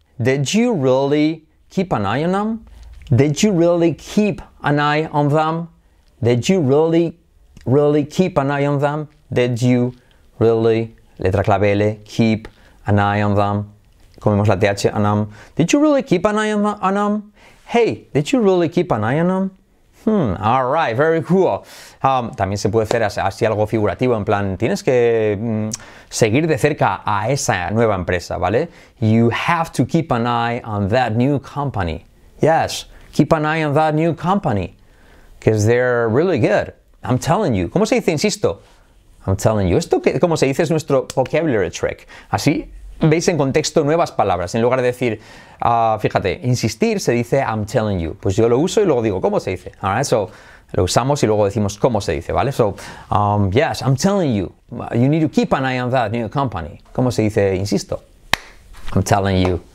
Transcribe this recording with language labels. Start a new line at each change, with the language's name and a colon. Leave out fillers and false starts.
English: Did you really keep an eye on them? Did you really keep an eye on them? Did you really, really keep an eye on them? Did you really, letra clave L, keep an eye on them?
Spanish: Comemos la TH,
English: an them. Did you really keep an eye on them? Hey, did you really keep an eye on them? All right, very cool.
Spanish: También se puede hacer así algo figurativo, en plan, tienes que seguir de cerca a esa nueva empresa, ¿vale?
English: You have to keep an eye on that new company. Yes, keep an eye on that new company, because they're really good. I'm telling you.
Spanish: ¿Cómo se dice, insisto?
English: I'm telling you.
Spanish: Esto, que, como se dice, es nuestro
English: vocabulary trick.
Spanish: Así veis en contexto nuevas palabras. En lugar de decir, fíjate, insistir, se dice
English: I'm telling you.
Spanish: Pues yo lo uso y luego digo, ¿cómo se dice?
English: All right, so
Spanish: lo usamos y luego decimos cómo se dice, ¿vale?
English: So, yes, I'm telling you. You need to keep an eye on that new company.
Spanish: ¿Cómo se dice, insisto?
English: I'm telling you.